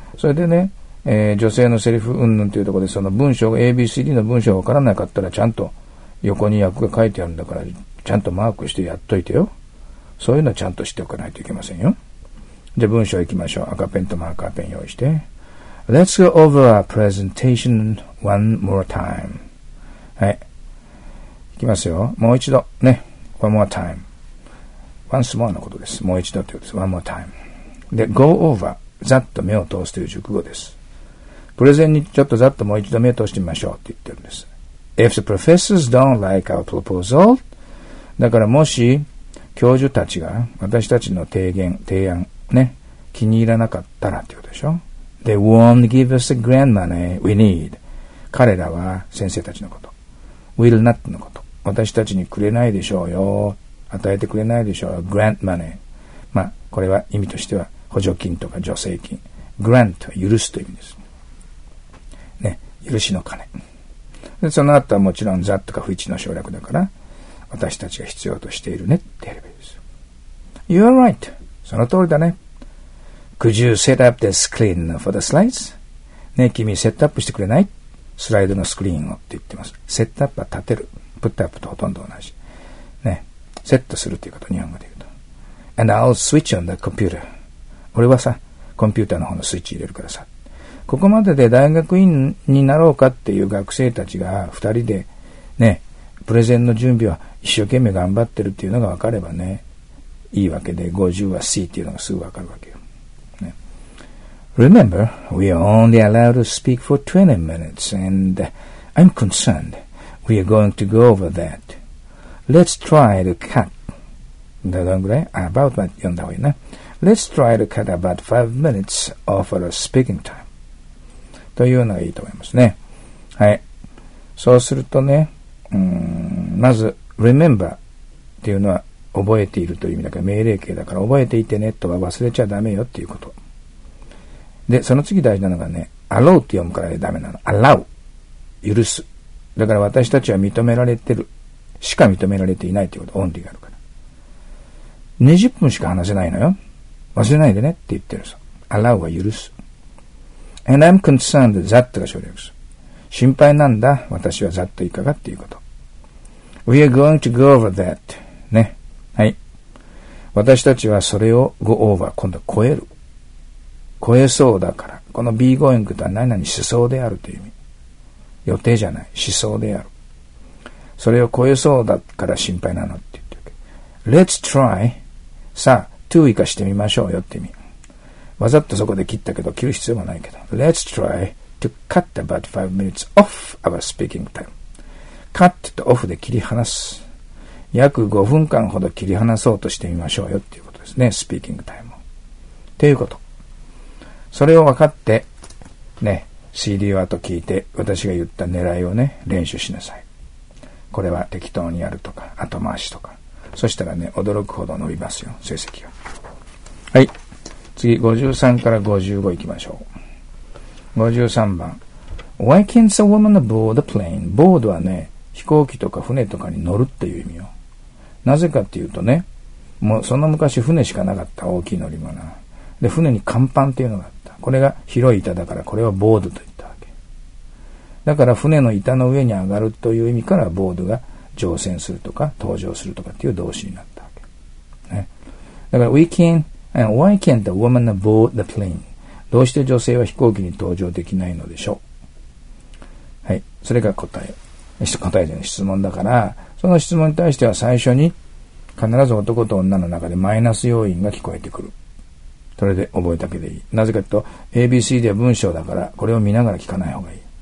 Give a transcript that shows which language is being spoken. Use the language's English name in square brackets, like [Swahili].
[Japanese] それでね、女性のセリフ云々っていうところで、その文章が ABCD の文章がわからなかったら、ちゃんと横に訳が書いてあるんだから、ちゃんとマークしてやっといてよ。そういうのちゃんとしておかないといけませんよ。じゃあ文章いきましょう。赤ペンとマーカーペン用意して。 [English] Let's go over our presentation one more time. [Japanese] はい。いきますよ。もう一度。ね。 [English] One more time. [Japanese] Once more のことです。もう一度ということです。 [English] One more time. で、go over. [Japanese] ざっと目を通すという熟語です。プレゼンにちょっとざっともう一度目を通してみましょうって言ってるんです。 [English] If the professors don't like our proposal, [Japanese] だからもし、教授たちが私たちの提案ね、気に入らなかったらっていうことでしょ。 [English] They won't give us the grand money we need. [Japanese] 彼らは先生たちのこと。 [English] Will not [Japanese] のこと。私たちにくれないでしょうよ。与えてくれないでしょうよ。 [English] grant money。 [Japanese] まあ、これは意味としては補助金とか助成金。grant は許すという意味です。ね、許しの金。で、その後はもちろん that とか不一の省略だから、私たちが必要としているねってやればいいです。 [English] You are right. [Japanese] その通りだね。 [English] Could you set up the screen for the slides? [Japanese] ね、君、セットアップしてくれない?スライドのスクリーンをって言ってます。セットアップは立てる。プットアップとほとんど同じ。ね、セットするということ、日本語で言うと。 [English] And I'll switch on the computer. [Japanese] 俺はさ、コンピューターの方のスイッチ入れるからさ。ここまでで大学院になろうかっていう学生たちが二人で、ね、プレゼンの準備は一生懸命頑張ってるっていうのが分かればね、いいわけで、50は C っていうのがすぐ分かるわけよ。 [English] ね、Remember, we are only allowed to speak for 20 minutes and I'm concerned we are going to go over that. Let's try to cut, [Japanese] どんぐらい about, 読んだ方がいいな。 [English] Let's try to cut about 5 minutes off our speaking time. [Japanese] というのがいいと思いますね。はい。そうするとね、まず remember っていうのは覚えているという意味だから命令形だから覚えていてねとは忘れちゃダメよっていうこと。でその次大事なのがね allow って読むからダメなの。 allow 許す。だから私たちは認められてるしか認められていないということ。 only があるから20分しか話せないのよ。忘れないでねって言ってるさ。 allow は許す。 [English] and I'm concerned that [Japanese] が省略する。心配なんだ。私はざっといかがっていうこと。 [English] We are going to go over that. ね。はい。 [Japanese] 私たちはそれを [English] go over. [Japanese] 今度は超える。超えそうだから。この be going とは何々しそうであるという意味。予定じゃない。しそうである。それを超えそうだから心配なのって言ってるけど。 [English] Let's try. [Japanese] さあ、to 以下してみましょうよって意味。わざっとそこで切ったけど、切る必要もないけど。 [English] Let's try. To cut about 5 minutes off our speaking time. [Japanese] Cut と off で切り離す。約5分間ほど切り離そうとしてみましょうよっていうことですね。 speaking time を。っていうこと。それを分かって、ね、CD をあと聞いて、私が言った狙いをね、練習しなさい。これは適当にやるとか、後回しとか。そしたらね、驚くほど伸びますよ、成績が。はい。次、53から55行きましょう。53番。 [English] Why can't the woman board the plane? [Japanese] ボードはね、飛行機とか船とかに乗るっていう意味よ。なぜかっていうとね、もうその昔船しかなかった大きい乗り物。で、船に甲板っていうのがあった。これが広い板だから、これはボードと言ったわけ。だから船の板の上に上がるという意味から、ボードが乗船するとか、登場するとかっていう動詞になったわけ。ね。 [English] だから、why can't the woman board the plane? [Japanese] どうして女性は飛行機に搭乗できないのでしょう。はい。それが答え。答えでの質問だから、その質問に対しては最初に必ず男と女の中でマイナス要因が聞こえてくる。それで覚えたけでいい。なぜかというと ABC では文章だから、これを見ながら聞かない方がいい。